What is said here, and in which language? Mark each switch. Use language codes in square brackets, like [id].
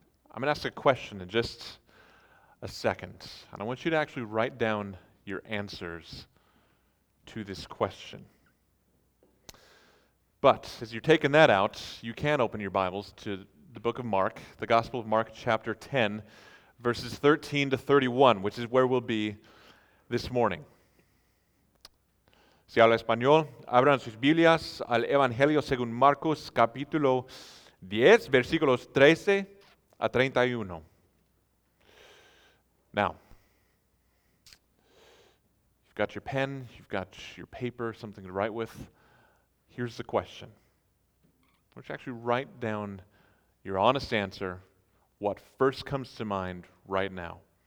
[en] I'm going to ask a question in just a second, and I want you to actually write down your answers to this question. But as you're taking that out, you can open your Bibles to the book of Mark, the Gospel of Mark, chapter 10, verses 13 to 31, which is where we'll be this morning. [es] Si habla español, abran sus Biblias al Evangelio según Marcos, capítulo 10, versículos 13 a 31. [en] Now, you've got your pen, you've got your paper, something to write with. Here's the question. Why don't you actually write down your honest answer, what first comes to mind right now.